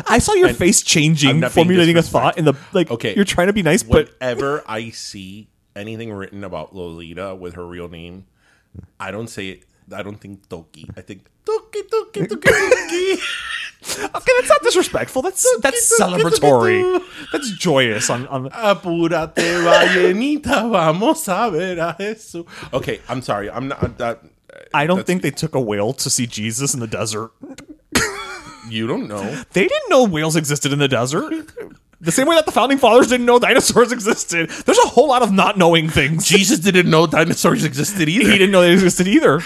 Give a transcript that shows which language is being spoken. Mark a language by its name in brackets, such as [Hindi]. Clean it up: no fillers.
[English] I saw your face changing, formulating a thought in the, like, okay. You're trying to be nice, but whenever I see anything written about Lolita with her real name, I don't say it. I don't think Toki. I think Toki, Toki, Toki, Toki. Okay, that's not disrespectful. That's celebratory. That's joyous. [Spanish] Apúrate, vallenita, vamos a ver a Jesús. [English] Okay, I'm sorry. I'm not. I don't think they took a whale to see Jesus in the desert. You don't know. They didn't know whales existed in the desert. The same way that the Founding Fathers didn't know dinosaurs existed. There's a whole lot of not knowing things. Jesus didn't know dinosaurs existed either. He didn't know they existed either.